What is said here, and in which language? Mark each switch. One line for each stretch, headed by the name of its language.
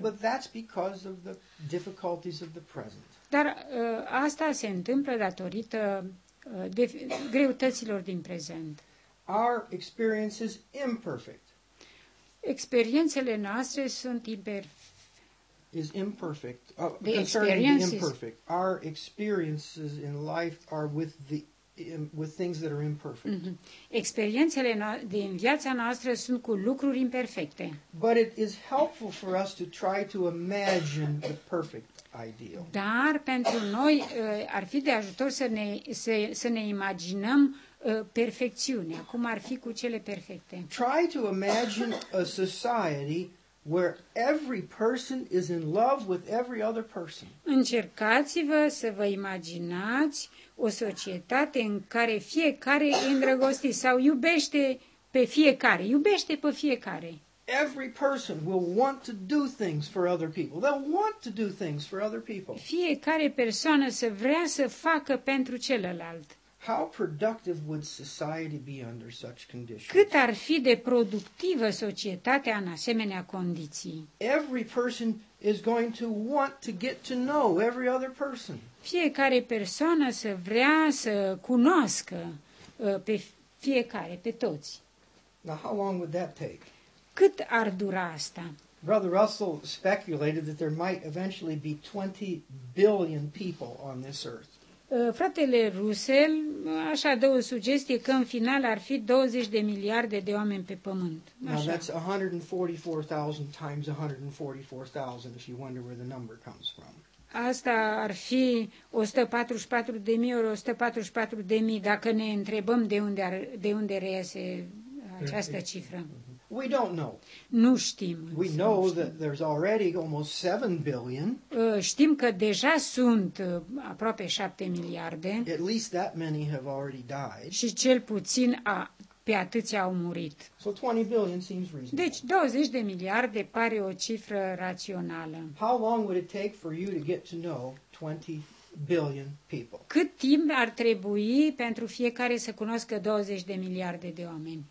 English: But that's because of the difficulties of the present.
Romanian: Dar asta se întâmplă datorită greutăților din prezent.
English: Our experience is imperfect.
Romanian: Experiențele noastre sunt imperfect. Imperfect.
English: Our experiences in life are with things that are imperfect. Mm-hmm.
Romanian: Experiențele din viața noastră sunt cu lucruri imperfecte.
English: But it is helpful for us to try to imagine the perfect ideal.
Romanian: Dar pentru noi ar fi de ajutor să ne imaginăm perfecțiunea, cum ar fi cu cele perfecte.
English: Try to imagine a society where every person is in love with every other person.
Romanian: Încercați-vă să vă imaginați o societate în care fiecare e îndrăgostit sau iubește pe fiecare, iubește pe fiecare.
English: Every person will want to do things for other people. They'll want to do things for other people.
Romanian: Fiecare persoană să vrea să facă pentru celălalt.
English: How productive would society be under such conditions?
Romanian: Cât ar fi de productivă societatea în asemenea condiții?
English: Every person is going to want to get to know every other person.
Romanian: Fiecare persoană să vrea să cunoască pe fiecare, pe toți.
English: Now, how long would that take?
Romanian: Cât ar dura asta?
English: Brother Russell speculated that there might eventually be 20 billion people on this earth.
Romanian: Fratele Russell așa dă o sugestie că în final ar fi 20 de miliarde de oameni pe pământ.
English: Now that's 144,000 times 144,000 if you wonder where the number comes from.
Romanian: Asta ar fi 144,000 ori 144,000 dacă ne întrebăm de unde reiese această cifră.
English: We don't know.
Romanian: Nu știm.
English: We know that there's already almost 7 billion.
Romanian: Știm că deja sunt aproape 7 miliarde.
English: At least that many have already died.
Romanian: Și cel puțin pe atâția au murit.
English: So 20 billion seems reasonable.
Romanian: Deci 20 de miliarde pare o cifră rațională.
English: How long would it take for you to get to know 20 billion people?
Romanian: Cât timp ar trebui pentru fiecare să cunoască 20 de miliarde de oameni?